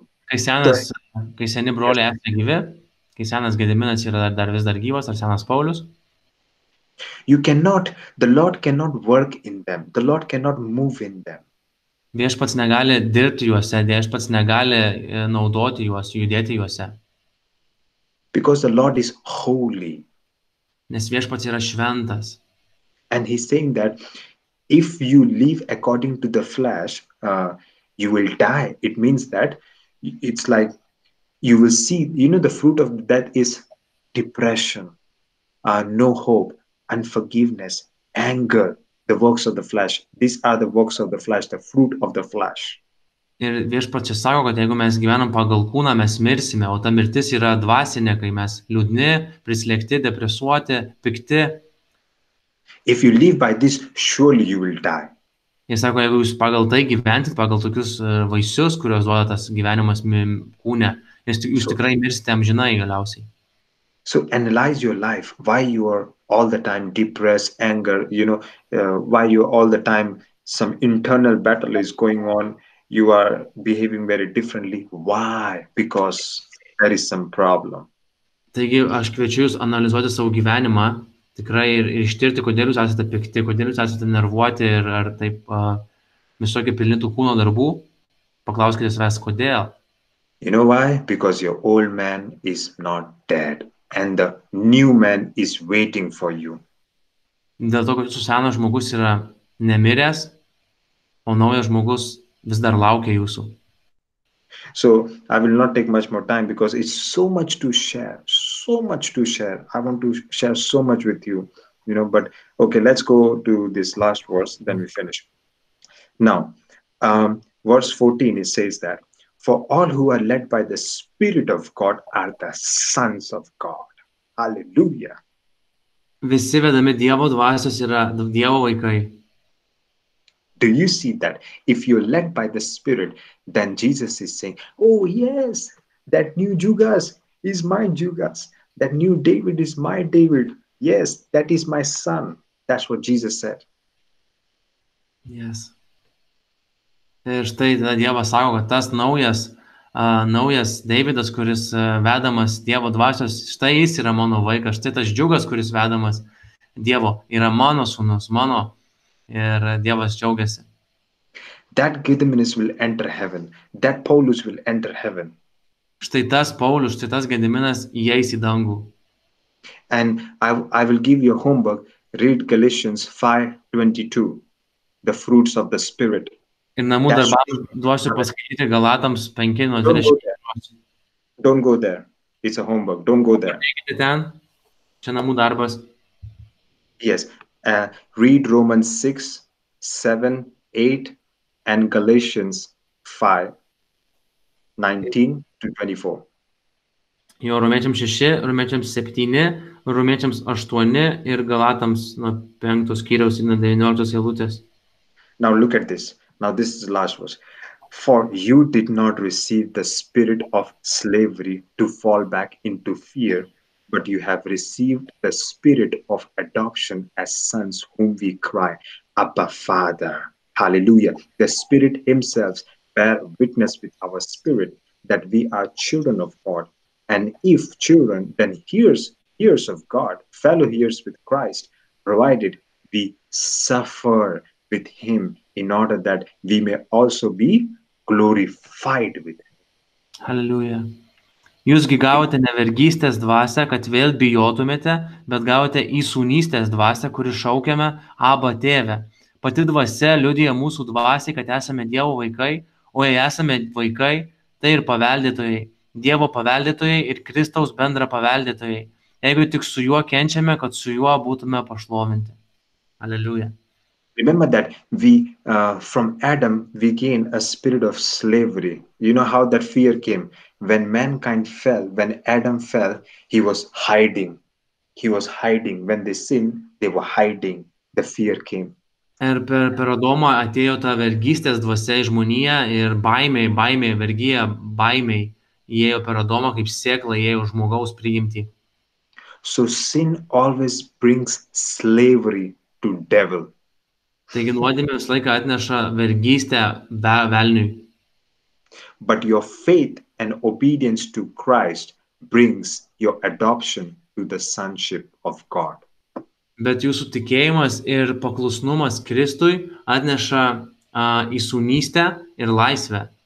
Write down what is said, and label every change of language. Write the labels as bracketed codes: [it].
[lt] Kai seni broliai esate gyvi, kai senas Gediminas yra dar vis dar gyvas, ar senas Paulius, [en] you cannot, the Lord cannot work in them. The Lord cannot move in them. [lt] Viešpats negali dirbti juose, Viešpats negali naudoti juos, judėti juose. [en] Because the Lord is holy. [lt] Nes Viešpats yra šventas. [en] And he's saying that if you live according to the flesh, you will die. It means that it's like you will see, you know, the fruit of that is depression, no hope, unforgiveness, anger, the works of the flesh. These are the works of the flesh, the fruit of the flesh. [lt] Ir Viešpats sako, kad jeigu mes gyvenam pagal kūną, mes mirsime, o ta mirtis yra dvasinė, kai mes liūdni, prislėgti, depresuoti, pikti. [en] If you live by this, surely you will die. [lt] Jis sako, jeigu jūs pagal tai gyventit, pagal tokius vaisius, kuriuos duoda tas gyvenimas kūne, jūs tikrai mirsite amžinai galiausiai. [en] So analyze your life, why you are all the time depressed, anger, you know, why you all the time some internal battle is going on, you are behaving very differently. Why? Because there is some problem. [lt] Taigi, aš kviečiu jūs analizuoti savo gyvenimą, tikrai ir ištirti, kodėl jūs esate pikti, kodėl jūs esate nervuoti ir ar taip visokio pilnitų kūno darbų. Paklauskite savęs, kodėl. [en] You know why? Because your old man is not dead and the new man is waiting for you. [lt] Dėl to, kad jūsų senas žmogus yra nemiręs, o naujas žmogus vis dar laukia jūsų. [en] So, I will not take much more time because it's so much to share. So much to share. I want to share so much with you. You know, but okay, let's go to this last verse, then we finish. Now, verse 14, it says that, for all who are led by the Spirit of God are the sons of God. Hallelujah. [lt] Visi vedami Dievo dvasios yra Dievo vaikai. [en] Do you see that? If you're led by the Spirit, then Jesus is saying, oh yes, that new Jugas is my Jugas. That new David is my David. Yes, that is my son. That's what Jesus said. Yes. [lt] Ir štai tada Dievas sako, kad tas naujas, naujas Davidas, kuris vedamas Dievo dvasios, štai jis yra mano vaikas, štai tas Džiugas, kuris vedamas Dievo, yra mano sūnus, mano, ir Dievas džiaugiasi. [en] That Gediminas will enter heaven, that Paulus will enter heaven. [lt] Štai tas Paulus, štai tas Gediminas įeis į dangų. [en] And I will give you a homework, read Galatians 5:22, the fruits of the Spirit. [lt] Ir namų darbams duosiu paskaityti Galatams 5:20. [en] Don't go there. It's a homework. Don't go there. [lt] Eikite ten. Čia namų darbas. [en] Yes. Read Romans 6, 7, 8 and Galatians 5, 19 to 24. [lt] Jo, Romiečiams 6, Romiečiams 7, Romiečiams 8 ir Galatams nuo 5 skyriaus ir 19 eilutės. [en] Now look at this. Now this is the last verse. For you did not receive the spirit of slavery to fall back into fear, but you have received the spirit of adoption as sons whom we cry, Abba Father. Hallelujah. The Spirit himself bear witness with our spirit that we are children of God. And if children, then hears of God, fellow hears with Christ, provided we suffer with him in order that we may also be glorified with him. Hallelujah. [lt] Jūsgi gavote nevergystės dvasę, kad vėl bijotumėte, bet gavote įsūnystės dvasę, kuri šaukiame Abba Tėve. Pati dvasė liudija mūsų dvasiai, kad esame Dievo vaikai, o jei esame vaikai, tai ir paveldėtojai. Dievo paveldėtojai ir Kristaus bendra paveldėtojai. Jeigu tik su juo kenčiame, kad su juo būtume pašlovinti. Hallelujah. [en] Remember that we from Adam we gain a spirit of slavery. You know how that fear came when mankind fell, when Adam fell, he was hiding. He was hiding when they sinned, they were hiding. The fear came. [lt] Ir per Adomą atėjo ta vergystės dvasia į žmoniją ir baimė, vergija, baimė įėjo per Adomą kaip sėkla įėjo žmogaus priimti. [en] So sin always brings slavery to devil. [lt] Taigi nuodėmė visą laiką atneša vergystę velniui. [en] But your faith and obedience to Christ brings your adoption to the sonship of God. [lt] Bet jūsų tikėjimas ir paklusnumas Kristui atneša įsūnystę ir laisvę.